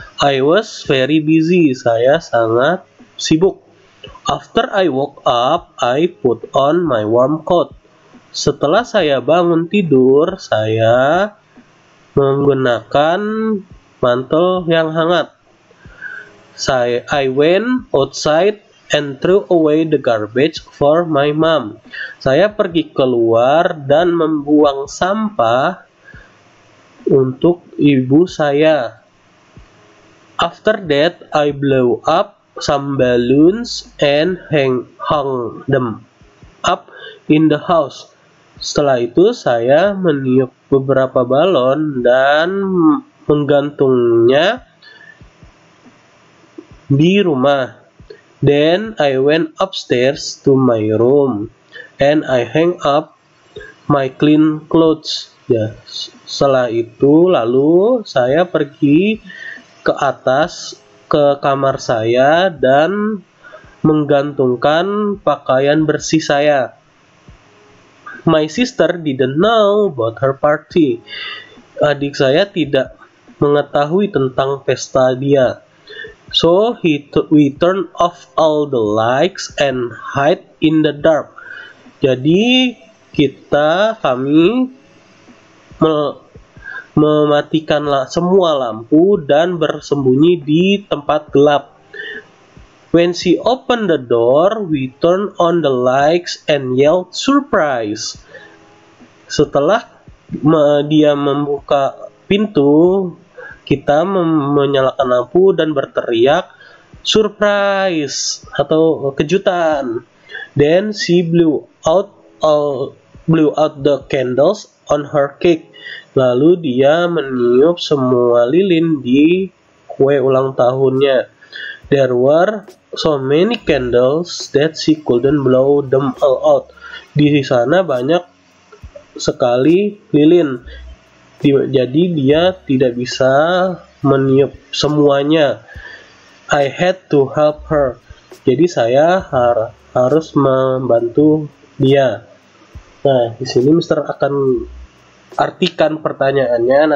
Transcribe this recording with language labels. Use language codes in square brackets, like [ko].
[en] I was very busy. [id] Saya sangat sibuk. [en] After I woke up, I put on my warm coat. [id] Setelah saya bangun tidur, saya menggunakan mantel yang hangat. [en] I went outside and threw away the garbage for my mom. [id] Saya pergi keluar dan membuang sampah untuk ibu saya. [en] After that, I blew up some balloons and hung them up in the house. [id] Setelah itu, saya meniup beberapa balon dan menggantungnya di rumah. [en] Then I went upstairs to my room and I hang up my clean clothes. [id] Ya, setelah itu lalu saya pergi ke atas ke kamar saya dan menggantungkan pakaian bersih saya. [en] My sister didn't know about her party. [id] Adik saya tidak mengetahui tentang pesta dia. [en] So we turn off all the lights and hide in the dark. [id] Jadi kami mematikanlah semua lampu dan bersembunyi di tempat gelap. [en] When she opened the door, we turn on the lights and yelled surprise. [id] Setelah dia membuka pintu, kita menyalakan lampu dan berteriak surprise atau kejutan. [en] Then she blew out the candles on her cake. [id] Lalu dia meniup semua lilin di kue ulang tahunnya. [en] There were so many candles that she couldn't blow them all out. [id] Di sana banyak sekali lilin. Jadi dia tidak bisa meniup semuanya. [en] I had to help her. [id] Jadi saya harus membantu dia. Nah, di sini Mister akan artikan pertanyaannya.